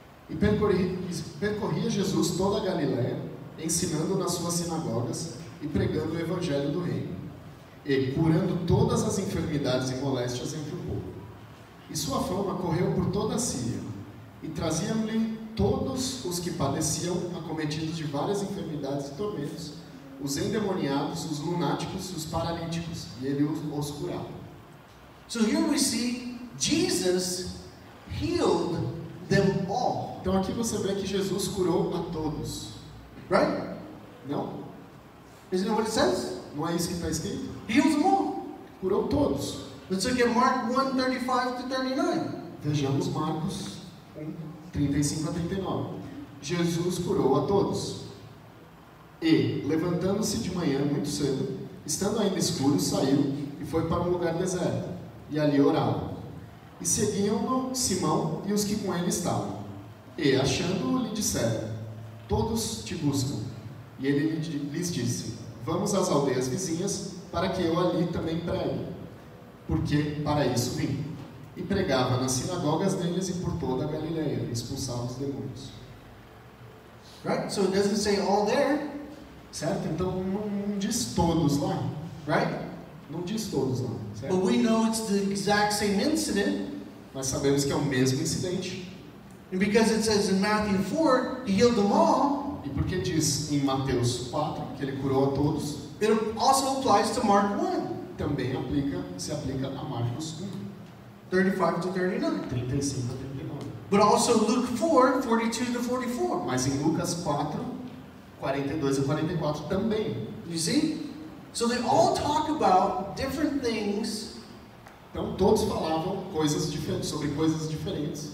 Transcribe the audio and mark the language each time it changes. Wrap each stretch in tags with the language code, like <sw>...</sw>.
<pt>E percorria Jesus toda a Galiléia, ensinando nas suas sinagogas e pregando o evangelho do reino, e curando todas as enfermidades e moléstias entre o povo. E sua fama correu por toda a Síria, e traziam-lhe todos os que padeciam, acometidos de várias enfermidades e tormentos, os endemoniados, os lunáticos, os paralíticos, e ele os curava.</pt> <en>So here we see Jesus healed them all.</en> <pt>Então aqui você vê que Jesus curou a todos.</pt> <en>Right?</en> <pt>No.</pt> <en>Isn't that what it says?</en> <pt>Não é isso que está escrito?</pt> <en>Heals them all.</en> <pt>Curou todos.</pt> <en>Let's look at Mark 1:35-39.</en> <pt>Vejamos Marcos 1:35-39. Jesus curou a todos. E, levantando-se de manhã muito cedo, estando ainda escuro, saiu e foi para um lugar deserto, e ali orava. E seguiam-no Simão e os que com ele estavam. E, achando-o, lhe disseram: todos te buscam. E ele lhes disse: vamos às aldeias vizinhas, para que eu ali também pregue, porque para isso vim. E pregava nas sinagogas deles e por toda a Galileia, expulsava os demônios.</pt> <en>Right? So it doesn't say all there.</en> <pt>Certo? Então não diz todos lá.</pt> <en>Right?</en> <pt>Não diz todos lá. Certo?</pt> <en>But we know it's the exact same incident.</en> <pt>Mas sabemos que é o mesmo incidente.</pt> <en>And because it says in Matthew 4, he healed them all.</en> <pt>E porque diz em Mateus 4 que ele curou a todos.</pt> <en>It also applies to Mark 1.</en> <pt>Também aplica, se aplica a Marcos 1.</pt> <en>35-39. But also Luke 4, 42-44.</en> <pt>Mas em Lucas 4, 42-44 também.</pt> <en>You see? So they all talk about different things.</en> <pt>Então todos falavam coisas diferentes, sobre coisas diferentes.</pt>